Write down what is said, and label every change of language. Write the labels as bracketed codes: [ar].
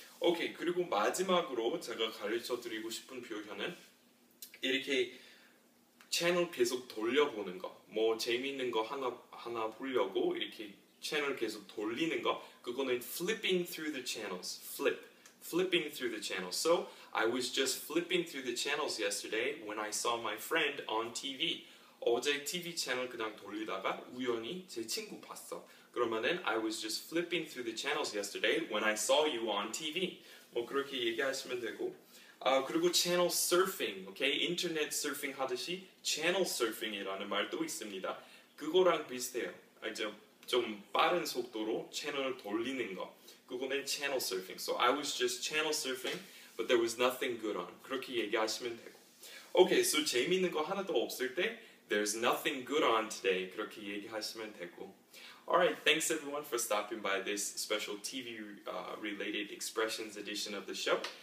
[ko] 오케이 그리고 마지막으로 제가 가르쳐 드리고 싶은 표현은 이렇게 채널 계속 돌려보는 거 뭐 재미있는 거 하나 보려고 이렇게 채널 계속 돌리는 거 그거는 [en] flipping through the channels flipping through the channels so I was just flipping through the channels yesterday when I saw my friend on TV [ko] 어제 TV 채널 그냥 돌리다가 우연히 제 친구 봤어. 그러면은 [en] I was just flipping through the channels yesterday when I saw you on TV. [ko] 뭐 그렇게 얘기하시면 되고. 아 그리고 [en] channel surfing, okay? [ko] 인터넷 surfing 하듯이 channel surfing이라는 말도 있습니다. 그거랑 비슷해요. 이제 좀 빠른 속도로 채널을 돌리는 거. 그거는 channel surfing. [en] So I was just channel surfing, but there was nothing good on. [ko] 그렇게 얘기하시면 되고. [en] Okay, so [ko] 재미있는 거 하나도 없을 때 [en] There's nothing good on today. [ko] 그렇게 얘기하시면 되고. [en] Alright, thanks everyone for stopping by this special TV-related expressions edition of the show.